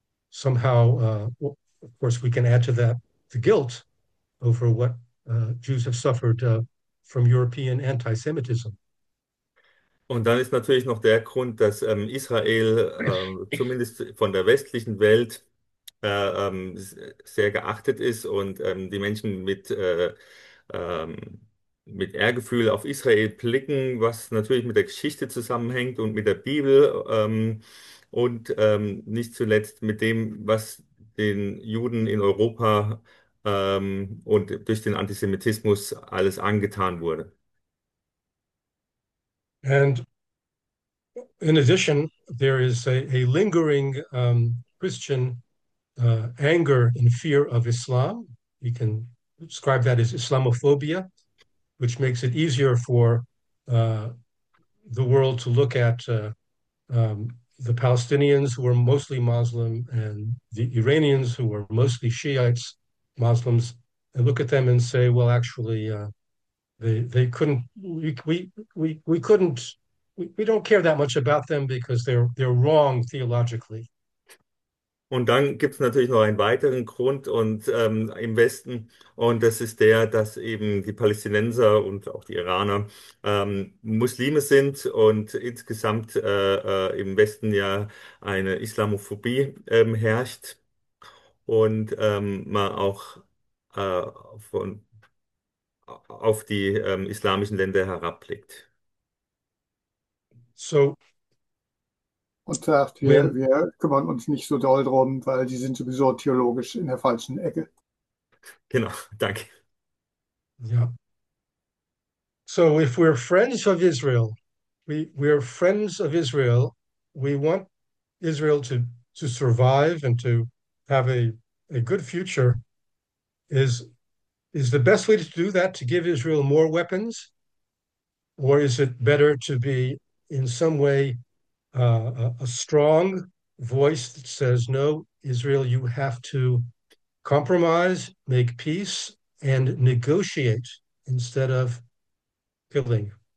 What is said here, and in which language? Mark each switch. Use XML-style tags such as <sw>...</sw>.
<en>somehow, well, of course, we can add to that the guilt over what Jews have suffered from European anti-Semitism.</en> <de>Und dann ist natürlich noch der Grund, dass Israel zumindest von der westlichen Welt sehr geachtet ist und die Menschen mit Ehrgefühl auf Israel blicken, was natürlich mit der Geschichte zusammenhängt und mit der Bibel und nicht zuletzt mit dem, was den Juden in Europa und durch den Antisemitismus alles angetan wurde.</de> <en>And in addition, there is a lingering Christian anger and fear of Islam. You can describe that as Islamophobia, which makes it easier for the world to look at the Palestinians, who are mostly Muslim, and the Iranians, who are mostly Shiites, Muslims, and look at them and say, well, actually, they couldn't we couldn't we don't care that much about them because they're wrong theologically.</en> <de>Und dann gibt es natürlich noch einen weiteren Grund und im Westen, und das ist der, dass eben die Palästinenser und auch die Iraner Muslime sind und insgesamt im Westen ja eine Islamophobie herrscht und man auch auf die islamischen Länder herabblickt.</de> <en>So,</en> <de>Und sagt,</de> <en>when</en> <de>wir kümmern uns nicht so doll drum, weil die sind sowieso theologisch in der falschen Ecke. Genau, danke.</de> <en>yeah. So if we're friends of Israel, we're friends of Israel, we want Israel to survive and to have a good future. Is the best way to do that to give Israel more weapons, or is it better to be in some way, a strong voice that says, no, Israel, you have to compromise, make peace, and negotiate instead of killing?</en>